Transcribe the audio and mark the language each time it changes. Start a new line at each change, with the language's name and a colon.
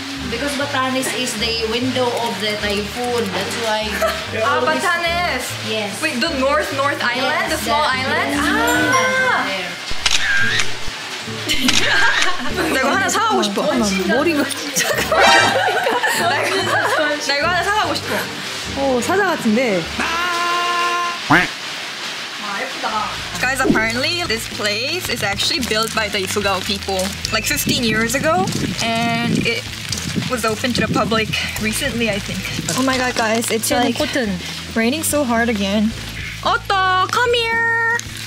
English: Because Batanes is the window of the typhoon. That's why. Ah, Batanes. Yes. Wait, the North Island, yes, the small that, island. Yes, ah. Yes, there.
Korean: 나 이거 하나 사가고 싶어. 머리가 나 이거 하나 사가고 싶어. 오, 사자 같은데. 와, 예쁘다.
English: Guys, apparently this place is actually built by the Ifugao people like 15 years ago and it was open to the public recently, I think. Oh my god, guys, it's like cotton. Raining so hard again. Otto, come here.